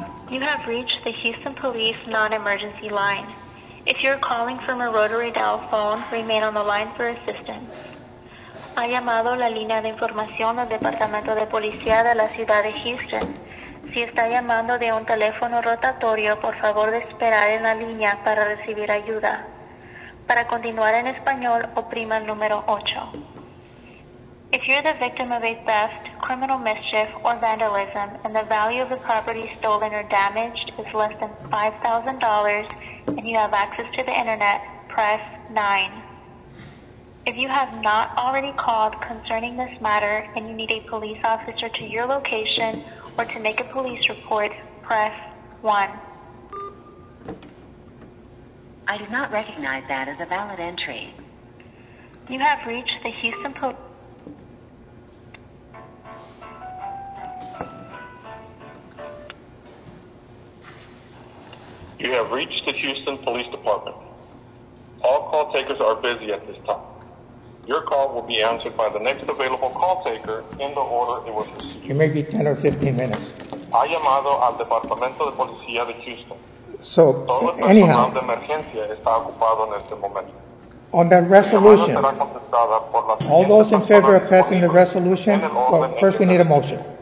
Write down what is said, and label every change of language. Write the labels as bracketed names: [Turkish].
[English] You have reached the Houston Police non-emergency line. If you're calling from a rotary dial phone, remain on the line for assistance. [Spanish] Ha llamado la línea de información del Departamento de Policía de la Ciudad de Houston. Si está llamando de un teléfono rotatorio, por favor de esperar en la línea para recibir ayuda. Para continuar en español, oprima el número 8. [English] If you're the victim of a theft, criminal mischief, or vandalism, and the value of the property stolen or damaged is less than $5,000, and you have access to the internet, press 9. If you have not already called concerning this matter, and you need a police officer to your location, or to make a police report, press 1. I do not recognize that as a valid entry. You have reached the Houston Police... You have reached the Houston Police Department. All call takers are busy at this time. Your call will be answered by the next available call taker in the order it was received. It may be 10 or 15 minutes. [Spanish] Ha llamado al Departamento de Policía de Houston. [English] So, anyhow, [Spanish] de emergencia está ocupado en este momento. [English] On that resolution, all those in favor of passing the resolution, well, first we need a motion.